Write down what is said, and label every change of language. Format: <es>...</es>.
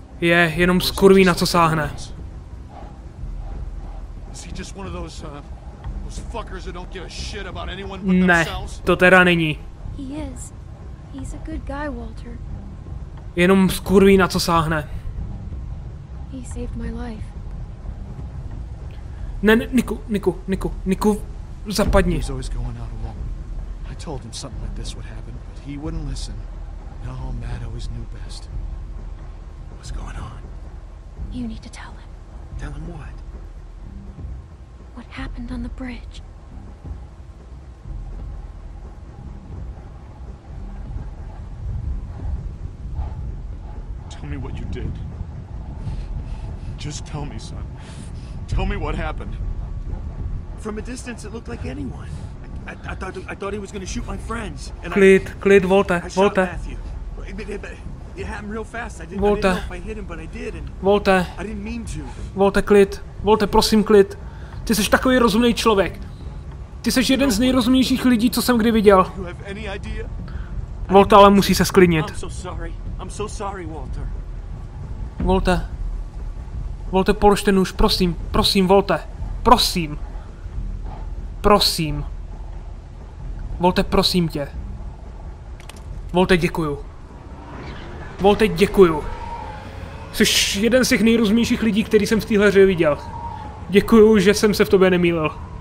<cs>Je jenom skurví, na co sáhne.</cs> <en>Is he just one of those fuckers that don't give a shit about anyone but</en> <cs>themselves? Ne, to teda není.</cs> <en>He is. He's a good guy, Walter.</en> <cs>Jenom skurví, na co sáhne.</cs> <en>He saved my life.</en> <cs>Ne, ne, Niku, Niku, Niku, Niku, zapadni.</cs> <en>He's always going out alone. I told him something like this would happen, but he wouldn't listen. No, Matt always knew best. What's going on? You need to tell him. Tell him what? What happened on the bridge? Tell me what you did. Just tell me, son. Tell me what happened. From a distance, it looked like anyone. I thought he was going to shoot my friends.</en> <cs>And klid, klid, Volta, Volta.</cs> <en>It happened real fast. I didn't know if I hit him, but I did. And</en> <cs>Volta.</cs> <en>I didn't mean to.</en> <cs>Volta, klid. Volta, prosím, klid. Ty jsi takový rozumný člověk. Ty jsi jeden z nejrozumnějších lidí, co jsem kdy viděl. Volta, ale musí se sklidnit.</cs> <en>I'm so sorry, Walter.</en> <cs>Volta. Volte, polož ten nůž, prosím, prosím, Volte, prosím, prosím, Volte, prosím tě, Volte, děkuju, jsi jeden z těch nejrozumějších lidí, který jsem v téhle hře viděl, děkuju, že jsem se v tobě nemýlil.</cs>